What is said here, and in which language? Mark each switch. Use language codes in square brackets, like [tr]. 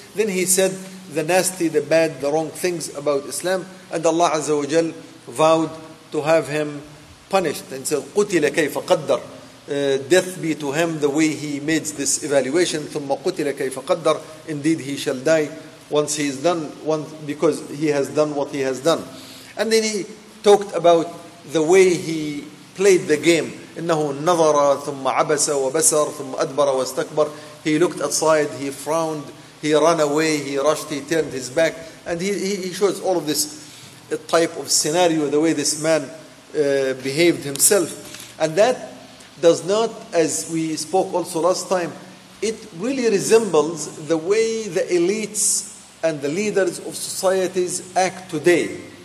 [en] Then he said the nasty, the bad, the wrong things about Islam, and Allah Azza wa Jal vowed to have him punished and said, [ar] قُتِلَ كَيْفَ قَدَّرَ. [en] Death be to him the way he made this evaluation. [ar] ثُمَّ قُتِلَ كَيْفَ قَدَّرَ. [en] Indeed, he shall die once he is done, because he has done what he has done. And then he talked about the way he played the game. [ar] إنه نظر ثم عبس وبصر ثم أدبر واستكبر. [en] He looked aside, he frowned, he ran away, he rushed, he turned his back. And he shows all of this type of scenario, the way this man behaved himself. And that does not, as we spoke also last time, it really resembles the way the elites and the leaders of societies act today.